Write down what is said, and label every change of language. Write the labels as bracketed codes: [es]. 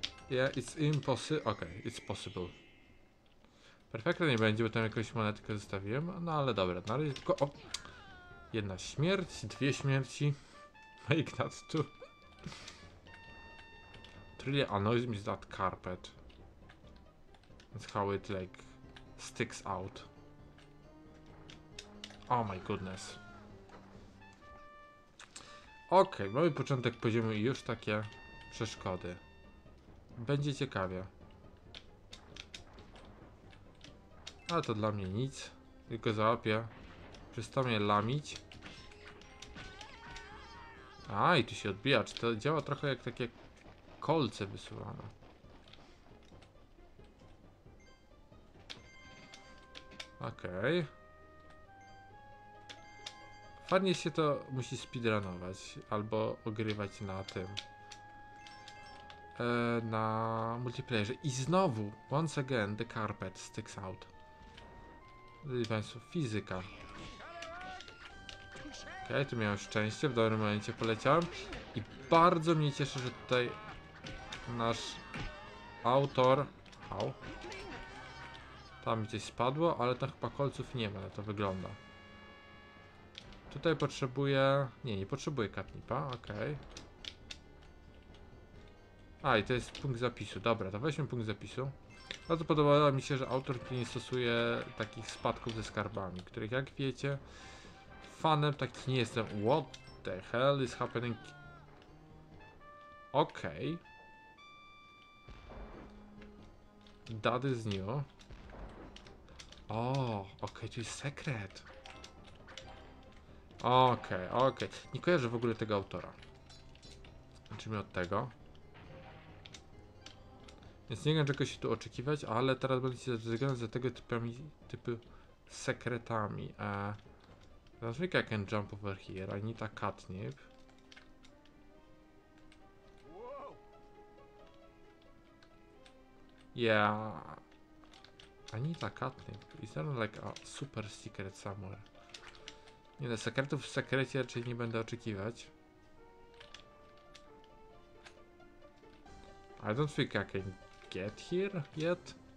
[en] Yeah, it's impossible. [pl] Okej, okay, [en] it's possible. [pl] Perfekta nie będzie, bo tam jakąś monetkę zostawiłem. No ale dobra, na razie tylko. O! Jedna śmierć, dwie śmierci. [en] Make that two. It really annoys me that carpet. That's how it like sticks out. Oh my goodness. [pl] Okej, okay, mamy początek poziomu i już takie przeszkody. Będzie ciekawie. Ale to dla mnie nic, tylko załapię. Przestanę lamić. A, i tu się odbija. Czy to działa trochę jak takie kolce wysuwane? Okej. Okay. Fajnie się to musi speedrunować albo ogrywać na tym. Na multiplayerze. I znowu, [en] once again, the carpet sticks out. [pl] Drodzy Państwo, fizyka. Okej, okay, tu miałem szczęście, w dobrym momencie poleciałem. I bardzo mnie cieszy, że tutaj nasz autor. Au. Tam mi coś spadło, ale tam chyba kolców nie ma, to wygląda. Tutaj potrzebuję. Nie, nie potrzebuję katnipa, okej. Okay. A, i to jest punkt zapisu. Dobra, to weźmy punkt zapisu. Bardzo podobało mi się, że autor nie stosuje takich spadków ze skarbami, których jak wiecie, fanem taki nie jestem. [en] What the hell is happening? Okej. Okay. That is new. [pl] O, oh, okej, okay, to jest sekret. Okej, okay, okej. Okay. Nie kojarzę w ogóle tego autora. Zacznijmy od tego. Więc nie wiem, czego się tu oczekiwać, ale teraz będę się zrzygał za tego typu sekretami. [en] Zazwyczaj I can jump over here, I need a catnip. Yeah. I need a catnip. Is there like a super secret somewhere? [pl] Nie, no, sekretów w sekrecie raczej nie będę oczekiwać. [en] I don't think I can get here yet.